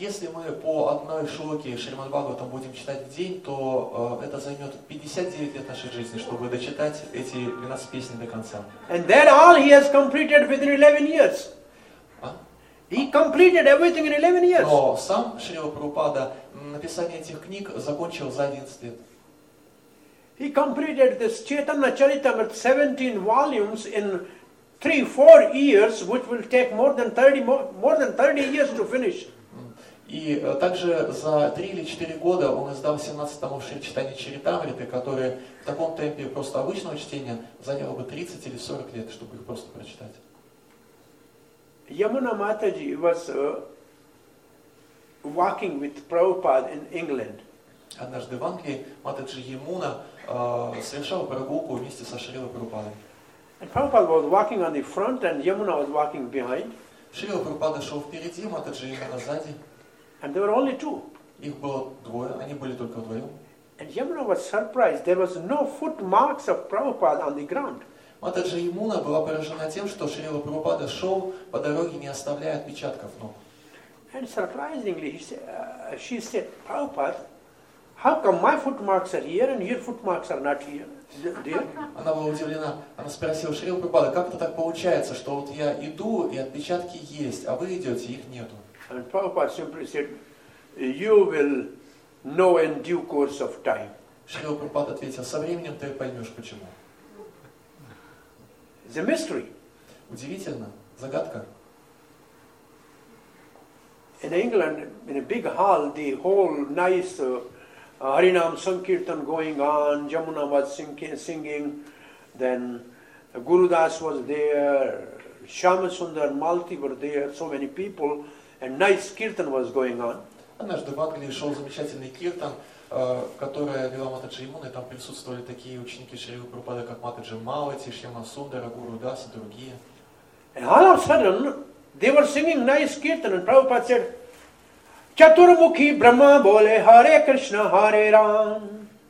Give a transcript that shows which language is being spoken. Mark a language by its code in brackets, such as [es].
[ru] Если мы по одной шлоке Шримад Бхагаватам будем читать в день, то это займет 59 лет нашей жизни, чтобы дочитать эти 12 песен до конца. [en] And then all he has completed within 11 years. He completed everything in 11 years. [ru] Но сам Шрила Прабхупада написание этих книг закончил за 11 лет. [en] He completed this Chaitanya Charitamrita 17 volumes in 3-4 years, which will take more than 30 years to finish. [ru] И также за 3 или 4 года он издал 17 томов Шри Чайтанья Чаритамриты, которые в таком темпе просто обычного чтения заняло бы 30 или 40 лет, чтобы их просто прочитать. [en] Yamuna Mataji was walking with Prabhupada in England. [ru] Однажды в Англии Матаджи Ямуна совершал прогулку вместе со Шрилой Прабхупадой. [en] And Prabhupada was walking on the front and Yamuna was walking behind. [ru] Шрила Прабхупада шел впереди, Матаджи Ямуна сзади. [en] And there were only two. [ru] Их было двое, они были только вдвоем. [en] And Yamuna was surprised. There was no foot marks of Prabhupada on the ground. [ru] Матаджи Ямуна была поражена тем, что Шрила Прабхупада шел по дороге, не оставляя отпечатков ног. [en] And surprisingly, she said, Prabhupada, how come my footmarks are here and your footmarks are not here? [ru] Она была удивлена. Она спросила Шрилу Прабхупада, как это так получается, что вот я иду и отпечатки есть, а вы идете, их нету. [en] And Prabhupada simply said, you will know in due course of time. [ru] Шрила Прабхупада ответил, со временем ты поймешь почему. [en] The mystery. [ru] Удивительно, загадка. [en] In England, in a big hall, the whole nice Harinam Sankirtan going on, Yamuna was singing, then Gurudas was there, Shamasundar, Malti were there, so many people, and nice Kirtan was going on. [ru] Однажды в Англии шел замечательный Киртан, который вела Матаджи Ямуна, и там присутствовали такие ученики Шрилы Прабхупады, как Матаджи Малти, Шамасундара, Гурудас и другие. [en] And all of a sudden, they were singing nice Kirtan, and Prabhupada said, [bn] Chaturmukhi Brahma Bole Hare Krishna Hare Ram.